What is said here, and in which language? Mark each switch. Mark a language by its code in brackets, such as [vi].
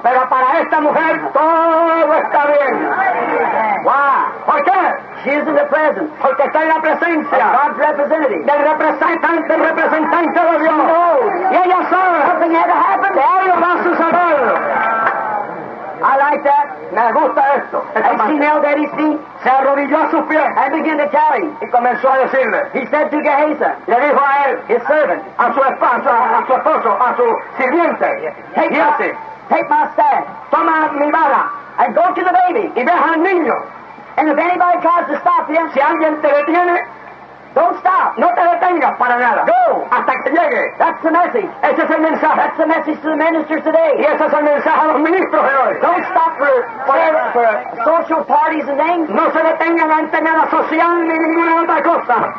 [es] Pero para esta mujer, todo está bien. [en] Why? [es] ¿Por qué? [en] She is in the presence. [es] Porque está en la presencia. [en] Of God's representative. [es] Del representante de Dios. No. Y ella sabe. [en] Something had to happen. [es] De algo va a suceder. [en] I like that. [es] Me gusta esto. [en] And she knelt at his feet. [es] Se arrodilló a sus pies. [en] And began to tell him. [es] Y comenzó a decirle. [en] He said to Gehazi. [es] Le dijo a él. [en] His servant. [es] A su esposo. A su esposo. A su sirviente. [en] Take my staff. [es] Toma mi vara. [en] And go to the baby. [es] Y deja al niño. [en] And if anybody tries to stop him. [es] Si alguien te detiene. [en] Don't stop. [es] No te detengas para nada. [en] Go. [es] Hasta que llegue. [en] That's the message. [es] Ese es el mensaje. [en] That's the message to the ministers today. [es] Y ese es el mensaje a los ministros de hoy. [en] Don't stop for social parties and things. [es] No se detengan ante nada social ni ninguna otra cosa.